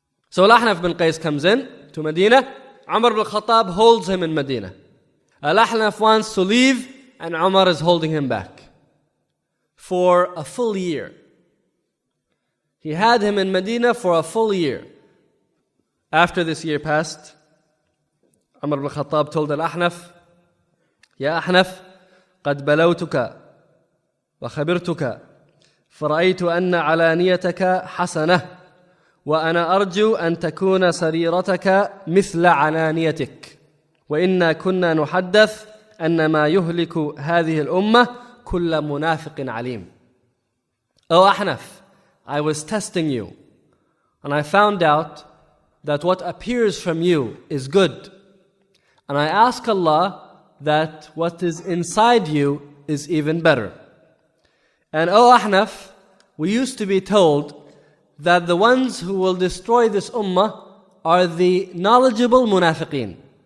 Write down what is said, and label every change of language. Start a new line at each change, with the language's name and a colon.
English: So Al-Ahnaf ibn Qais comes in to Medina. Umar ibn Khattab holds him in Medina. Al-Ahnaf wants to leave, and Umar is holding him back for a full year. He had him in Medina for a full year. After this year passed, Umar ibn Khattab told Al-Ahnaf, Ya Ahnaf,
Arabic: قد بلوتك وخبرتك فرأيت أن علانيتك حسنة وأنا أرجو أن تكون سريرتك مثل علانيتك وإنا كنا نحدث أن ما يهلك هذه الأمة كل منافق عليم.
English: Oh Ahnaf, I was testing you, and I found out that what appears from you is good, and I ask Allah that what is inside you is even better. And O Ahnaf, we used to be told that the ones who will destroy this ummah are the knowledgeable munafiqeen.